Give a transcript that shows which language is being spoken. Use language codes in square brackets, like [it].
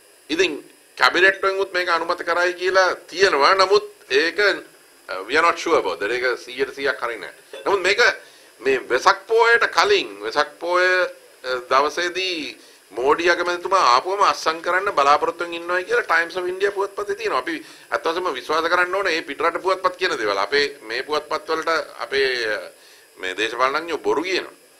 [si] ඉතින් කැබිනට් වෙන්වුත් මේක අනුමත කරයි කියලා තියෙනවා. නමුත් ඒක [en] we are not sure about that. [si] ඒක 100%ක් හරිනේ. නමුත් මේක මේ වෙසක් පෝයට කලින් වෙසක් පෝය දවසේදී මෝඩි අගමැතිතුමා ආපුවම අස්සම් කරන්න බලාපොරොත්තු වෙමින් ඉන්නවා කියලා Times of India පුවත්පතේ තියෙනවා. අපි අත් වශයෙන්ම විශ්වාස කරන්න ඕනේ මේ පිටරට පුවත්පත් කියන දේවල්. අපේ මේ පුවත්පත් වලට අපේ මේ දේශපාලනඥයෝ බොරු කියනවා.